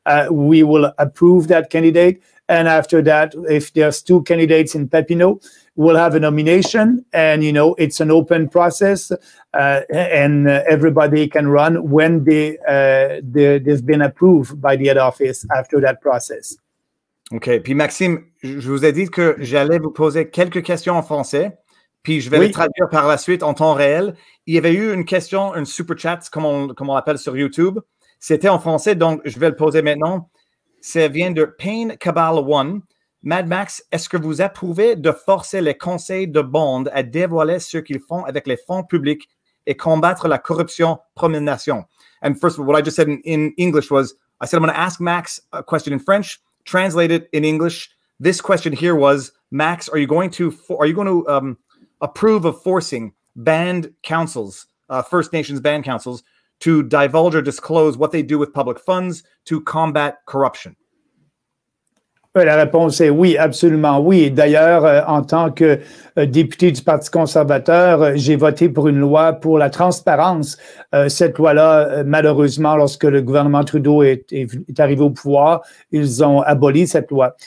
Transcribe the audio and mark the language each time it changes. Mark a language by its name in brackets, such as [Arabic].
[English] We will approve that candidate. And after that, if there's two candidates in Papineau, we'll have a nomination. And, you know, it's an open process. Everybody can run when they've been approved by the head office after that process. Okay. [French] Puis Maxime, je vous ai dit que j'allais vous poser quelques questions en français. Puis je vais les traduire par la suite en temps réel. Il y avait eu une question, un super chat, comme on l'appelle sur YouTube. C'était en français, donc je vais le poser maintenant. Ça vient de Pain Cabal One. Mad Max, est-ce que vous approuvez de forcer les conseils de bande à dévoiler ce qu'ils font avec les fonds publics et combattre la corruption Première Nation? [English] And first of all, what I just said in English was, I said I'm going to ask Max a question in French, translate it in English. This question here was, Max, approve of forcing band councils, First Nations band councils, to divulge or disclose what they do with public funds to combat corruption? [French] La réponse est oui, absolument oui. D'ailleurs, en tant que député du Parti conservateur, j'ai voté pour une loi pour la transparence. Cette loi-là, malheureusement, lorsque le gouvernement Trudeau est arrivé au pouvoir, ils ont aboli cette loi.